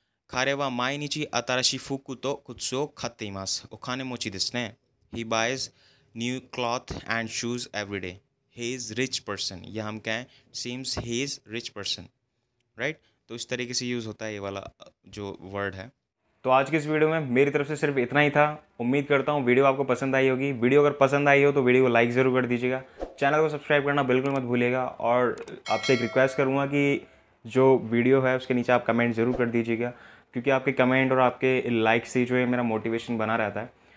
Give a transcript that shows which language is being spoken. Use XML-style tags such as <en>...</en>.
<ja>彼は毎日新しい服と靴を買っています。お金持ちですね。</ja> <en>He buys new cloth and shoes every day. He is rich person.</en> <hi>यह हम कहें,</hi> <en>seems he is rich person. Right?</en> <hi>तो इस तरीके से यूज होता है ये वाला जो वर्ड है. तो आज के इस वीडियो में मेरी तरफ से सिर्फ इतना ही था. उम्मीद करता हूँ वीडियो आपको पसंद आई होगी. वीडियो अगर पसंद आई हो तो वीडियो को लाइक ज़रूर कर दीजिएगा. चैनल को सब्सक्राइब करना बिल्कुल मत भूलिएगा. और आपसे एक रिक्वेस्ट करूँगा कि जो वीडियो है उसके नीचे आप कमेंट ज़रूर कर दीजिएगा, क्योंकि आपके कमेंट और आपके लाइक से जो है मेरा मोटिवेशन बना रहता है.</hi>